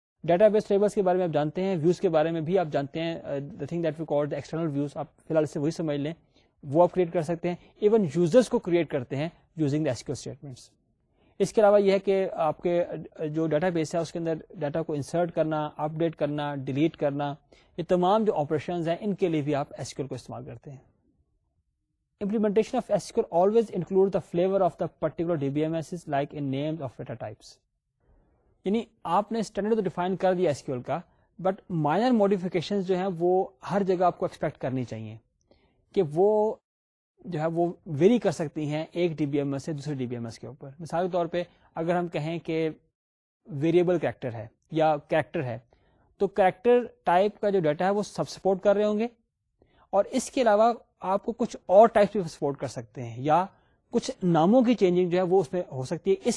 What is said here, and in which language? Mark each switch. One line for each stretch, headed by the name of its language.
Urdu: Data base tables کے بارے میں آپ جانتے ہیں, ویوز کے بارے میں بھی آپ جانتے ہیں,
English: the thing that we call the external views,
Urdu: آپ فی الحال سے وہی سمجھ لیں, وہ آپ کریٹ کر سکتے ہیں, ایون یوزرز کو کریٹ کرتے ہیں
English: Using the SQL statements.
Urdu: اس کے علاوہ یہ ہے کہ آپ کے جو ڈیٹا بیس ہے اس کے اندر ڈیٹا کو انسرٹ کرنا, اپ ڈیٹ کرنا, ڈیلیٹ کرنا, یہ تمام جو آپریشنز ہیں ان کے لیے بھی آپ SQL کو استعمال کرتے ہیں.
English: Implementation of SQL always include the flavour of the particular D B M S like in names of data types.
Urdu: یعنی آپ نے اسٹینڈرڈ تو ڈیفائن کر دیا ایس کیو ایل کا,
English: but minor modification
Urdu: جو ہیں وہ ہر جگہ آپ کو ایکسپیکٹ کرنی چاہیے کہ وہ جو ہے وہ ویری کر سکتی ہیں ایک ڈی بی ایم ایس سے دوسرے ڈی بی ایم ایس کے اوپر. مثال کے طور پہ اگر ہم کہیں کہ ویریبل کریکٹر ہے یا کریکٹر ہے, تو کریکٹر ٹائپ کا جو ڈیٹا ہے وہ سب سپورٹ کر رہے ہوں گے, اور اس کے علاوہ آپ کو کچھ اور ٹائپ بھی سپورٹ کر سکتے ہیں, یا کچھ ناموں کی چینجنگ جو ہے وہ اس میں ہو سکتی ہے.